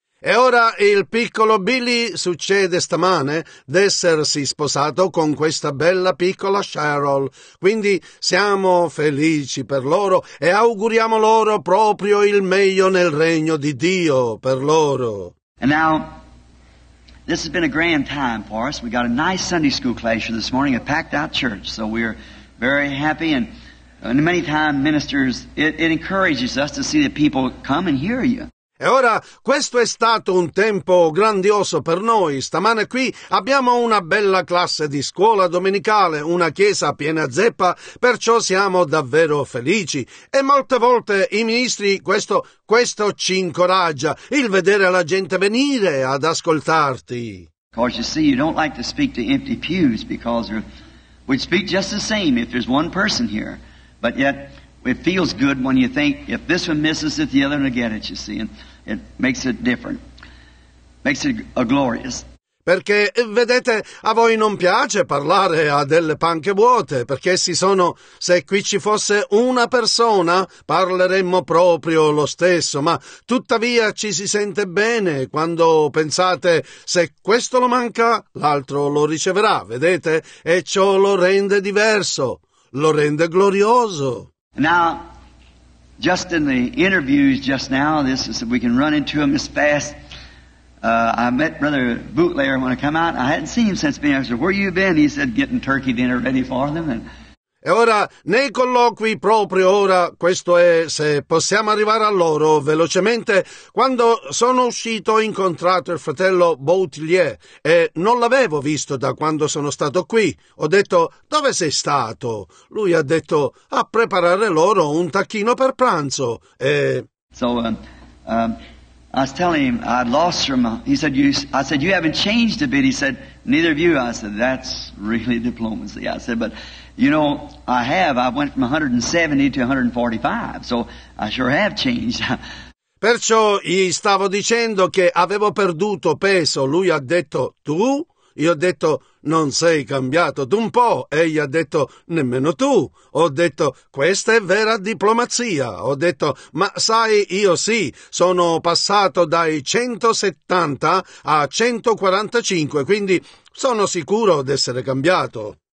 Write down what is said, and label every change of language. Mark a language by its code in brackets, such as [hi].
[it] E ora il piccolo Billy succede stamane d'essersi sposato con questa bella piccola Cheryl. Quindi siamo felici per loro e auguriamo loro proprio il meglio nel regno di Dio per loro. [en] And now this has been a grand time for us. We got a nice Sunday school class here this morning, a packed out church. So we're very happy, and And many times, ministers, it encourages us to see that people come and hear you. [it] E ora, questo è stato un tempo grandioso per noi. Stamane qui abbiamo una bella classe di scuola domenicale, una chiesa piena zeppa, perciò siamo davvero felici. E molte volte i ministri, questo ci incoraggia, il vedere la gente venire ad ascoltarti. [en] Because you see, you don't like to speak to empty pews, because we'd speak just the same if there's one person here, but yet... It feels good when you think, if this one misses it, the other one will get it, you see, and it makes it different, makes it glorious. [it] Perché, vedete, a voi non piace parlare a delle panche vuote, perché si sono, se qui ci fosse una persona, parleremmo proprio lo stesso, ma tuttavia ci si sente bene quando pensate, se questo lo manca, l'altro lo riceverà, vedete, e ciò lo rende diverso, lo rende glorioso. [en] Now, just in the interviews just now, this is if we can run into them as fast. I met Brother Bootlayer when I come out. I hadn't seen him since being. I said, "Where you been?" He said, "Getting turkey dinner ready for them." [it] E ora, nei colloqui proprio ora, questo è se possiamo arrivare a loro velocemente, quando sono uscito ho incontrato il fratello Boutelier e non l'avevo visto da quando sono stato qui. Ho detto, dove sei stato? Lui ha detto, a preparare loro un tacchino per pranzo. E... [en] I was telling him, I'd lost from, he said, you haven't changed a bit. He said, neither of you. I said, that's really diplomacy. I said, but... You know, I have. I went from 170 to 145, so I sure have changed. [it] Perciò gli stavo dicendo che avevo perduto peso. Lui ha detto, tu? Io ho detto, non sei cambiato d'un po'. Egli ha detto, nemmeno tu. Ho detto, questa è vera diplomazia. Ho detto, ma sai, io sì, sono passato dai 170 a 145, quindi sono sicuro d'essere cambiato.